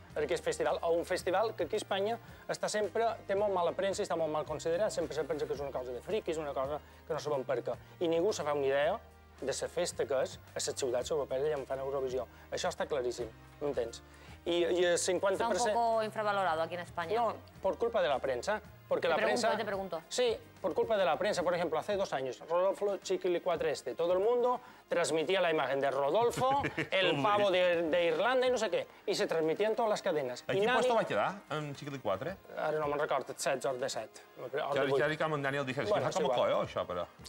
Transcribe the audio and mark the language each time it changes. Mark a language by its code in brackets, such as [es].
[ca] Aquest festival, o un festival que aquí a Espanya està sempre... té molt mala premsa i està molt mal considerat. Sempre se pensa que és una cosa de friquis, una cosa que no sabem per què. I ningú se fa una idea de la festa que és a les ciutats europees i en fan Eurovisió. Això està claríssim, no entens? I el 50%... [es] Està un poco infravalorado aquí en Espanya. No, por culpa de la premsa. Porque la prensa... Te pregunto. Sí, por culpa de la prensa. Por ejemplo, hace dos años, Rodolfo Chiquili 4 este, todo el mundo transmitía la imagen de Rodolfo, el pavo de Irlanda y no sé qué. Y se transmitía en todas las cadenas. [ca] ¿A quin [es] puesto [ca] va quedar, en Chiquili 4? Ara no me'n recordo, el 16 o el 17. Ja dic amb en Daniel Díaz, que fa com a coio, això, però...